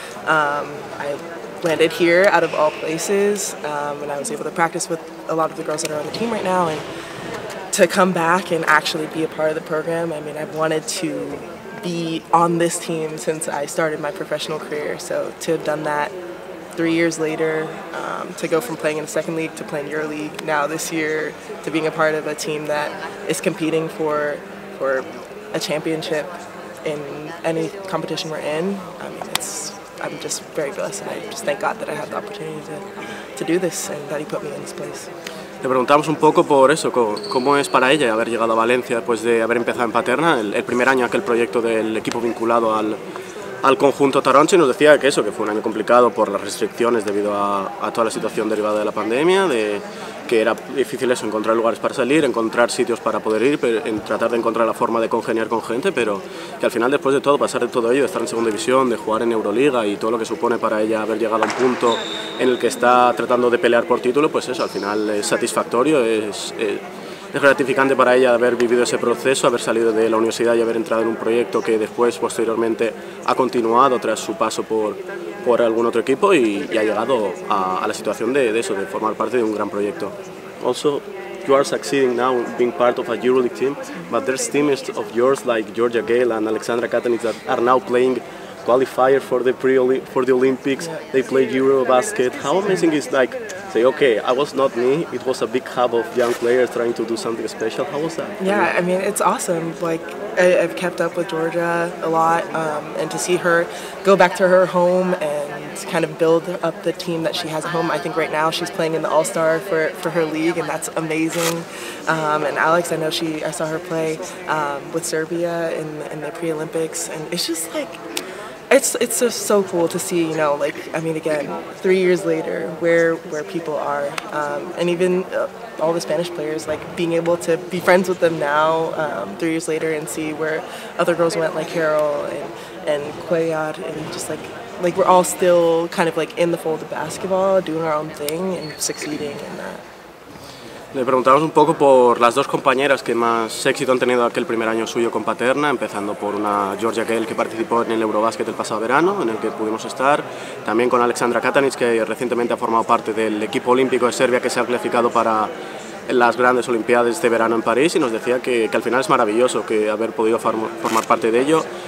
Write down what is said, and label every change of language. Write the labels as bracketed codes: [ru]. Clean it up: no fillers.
[en] I landed here out of all places, and I was able to practice with a lot of the girls that are on the team right now, and to come back and actually be a part of the program, I mean, I've wanted to be on this team since I started my professional career, so to have done that 3 years later, to go from playing in the second league to playing EuroLeague now this year, to being a part of a team that is competing for a championship in any competition we're in, I mean, I'm just very blessed, and I just thank God that I have the opportunity to do this and that he put me in this place. [es] Le preguntamos un poco por eso, ¿cómo es para ella haber llegado a Valencia después de haber empezado en Paterna, el primer año aquel proyecto del equipo vinculado al conjunto taronche? Y nos decía que eso, que fue un año complicado por las restricciones debido a toda la situación derivada de la pandemia, de que era difícil eso, encontrar lugares para salir, encontrar sitios para poder ir, en tratar de encontrar la forma de congeniar con gente, pero que al final, después de todo, pasar de todo ello, de estar en segunda división, de jugar en Euroliga y todo lo que supone para ella haber llegado a un punto en el que está tratando de pelear por título, pues eso, al final es satisfactorio, es gratificante para ella haber vivido ese proceso, haber salido de la universidad y haber entrado en un proyecto que después, posteriormente, ha continuado tras su paso por algún otro equipo y ha llegado a la situación de eso, de formar parte de un gran proyecto. [en] Also, you are succeeding now being part of a EuroLeague team, but there's teams of yours like Georgia Gale and Alexandra Katanic that are now playing qualifier for the Olympics. They play Eurobasket. How amazing is like? Say, okay, I was not me. It was a big hub of young players trying to do something special. How was that? Yeah, I mean, it's awesome. Like, I've kept up with Georgia a lot, and to see her go back to her home and kind of build up the team that she has at home. I think right now she's playing in the All-Star for her league, and that's amazing. And Alex, I know I saw her play with Serbia in the pre-Olympics, and it's just like, It's just so cool to see, you know, like, I mean, again, 3 years later, where people are, and even all the Spanish players, like, being able to be friends with them now, 3 years later, and see where other girls went, like Carol and Cuellar, and just, like, we're all still kind of, like, in the fold of basketball, doing our own thing and succeeding in that. [es] Le preguntamos un poco por las dos compañeras que más éxito han tenido aquel primer año suyo con Paterna, empezando por una Georgia Gale que participó en el Eurobasket el pasado verano, en el que pudimos estar, también con Alexandra Katanic, que recientemente ha formado parte del equipo olímpico de Serbia que se ha clasificado para las grandes olimpiadas este verano en París, y nos decía que al final es maravilloso que haber podido formar parte de ello.